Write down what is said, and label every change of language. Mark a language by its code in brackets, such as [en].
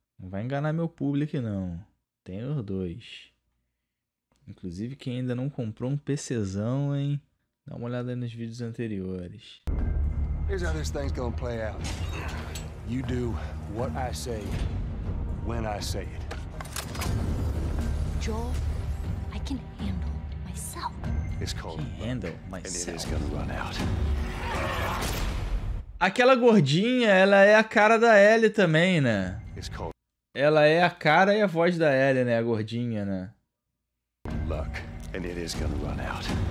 [pt] Não vai enganar meu público, não. Tenho os dois. Inclusive, quem ainda não comprou um PCzão, hein? Dá uma olhada aí nos vídeos anteriores. [en] Here's how this thing's gonna play out. You do what I say, when I say it. Joel, I can handle myself. It's called handle myself. And it is gonna run out. [pt] Aquela gordinha, ela é a cara da Ellie também, né? Ela é a cara e a voz da Ellie, né? A gordinha, né? [en] Luck, and it is gonna run out.